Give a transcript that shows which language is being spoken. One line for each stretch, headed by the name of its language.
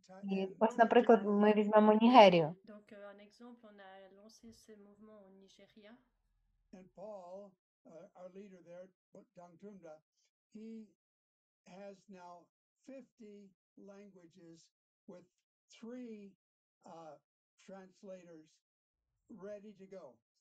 Ukrainian: І ось, наприклад, ми візьмемо Нігерію.
French: Donc, un exemple, on a lancé ce mouvement au Nigeria.
English: And Paul, our leader there, Dang Tunda, he has now 50 languages with three translators ready to go.